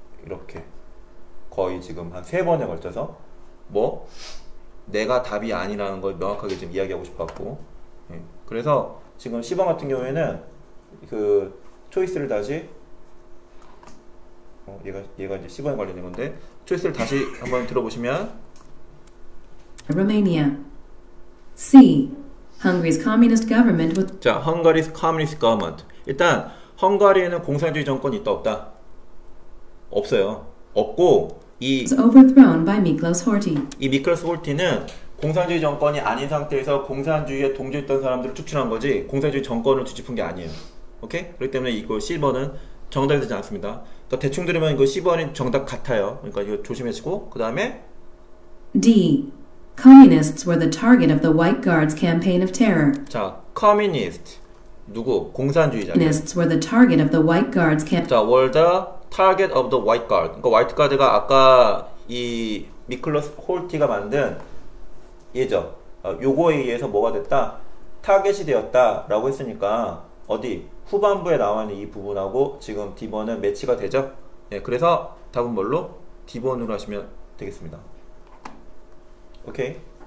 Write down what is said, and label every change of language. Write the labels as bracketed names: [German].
[Korean] 이렇게 거의 지금 한 세 번에 걸쳐서 뭐 내가 답이 아니라는 걸 명확하게 지금 이야기하고 싶었고, 예. 그래서 지금 시범 같은 경우에는 그 초이스를 다시 얘가 이제 시범에 관련된 건데 초이스를 다시 한번 들어보시면 [English] Romania C Hungary's communist government with [Korean] 자 [English] Hungary's communist government [Korean] 일단 헝가리에는 공산주의 정권이 있다 없다 없어요 없고 이 [English] overthrown by Miklos Horthy. [Korean] 이 미클로스 홀티는 공산주의 정권이 아닌 상태에서 공산주의에 동조했던 사람들을 축출한 거지 공산주의 정권을 뒤집은 게 아니에요. 오케이? 그렇기 때문에 이거 C번은 정답이 되지 않습니다. 그러니까 대충 들으면 이거 C번이 정답 같아요. 그러니까 이거 조심하시고 그다음에 [English] D. Communists were the target of the White Guards campaign of terror. [Korean] 자, communist 누구? 공산주의자. [English] Communists were the target of the White Guards campaign. 자, were the target of the White Guard. [Korean] 그러니까 White Guard가 아까 이 미클로스 홀티가 만든 얘죠. 요거에 의해서 뭐가 됐다? 타겟이 되었다라고 했으니까 어디 후반부에 나와있는 이 부분하고 지금 D번은 매치가 되죠? 예, 그래서 답은 뭘로? D번으로 하시면 되겠습니다. 오케이.